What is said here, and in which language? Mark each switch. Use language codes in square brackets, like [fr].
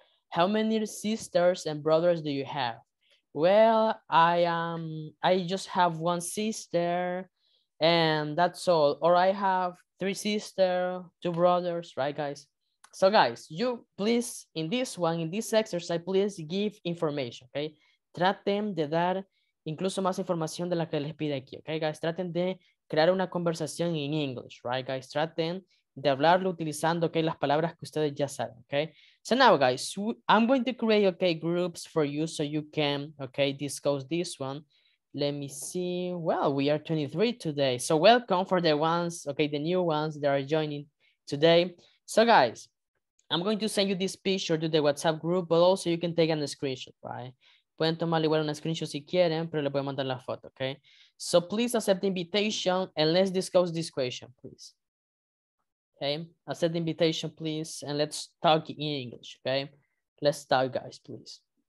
[en] How many sisters and brothers do you have? Well, I just have one sister and that's all. Or I have three sisters, two brothers, right, guys? So guys, you please, in this one, in this exercise, please give information, okay? [es] Traten de dar incluso más información de la que les pide aquí, okay, guys? Traten de crear una conversación [en] in English, right, guys? [es] Traten de hablarlo utilizando, okay, las palabras que ustedes ya saben, okay? [en] So now, guys, I'm going to create, okay, groups for you so you can, okay, discuss this one. Let me see. Well, we are 23 today. So welcome for the ones, okay, the new ones that are joining today. So, guys, I'm going to send you this picture to the WhatsApp group, but also you can take a screenshot, right? [es] Pueden tomar igual una screenshot si quieren, pero le pueden mandar la foto, okay? [en] So please accept the invitation and let's discuss this question, please. Okay, accept the invitation, please, and let's talk in English, okay? Let's talk, guys, please.